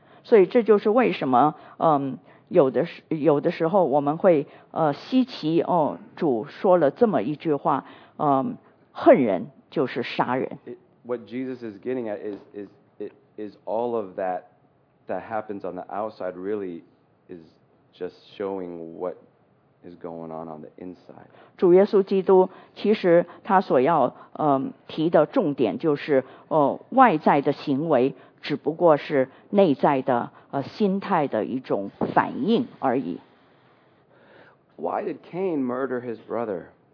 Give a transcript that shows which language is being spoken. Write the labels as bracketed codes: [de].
[zh] 所以这就是为什么有的时候我们会稀奇哦，主说了这么一句话，恨人就是杀人。 [en] What Jesus is getting at is all of that happens on the outside really is just showing what is going on the inside. [zh] 主耶稣基督其实他所要提的重点就是外在的行为只不过是内在的心态的一种反应而已。 [en] Why did Cain murder his brother?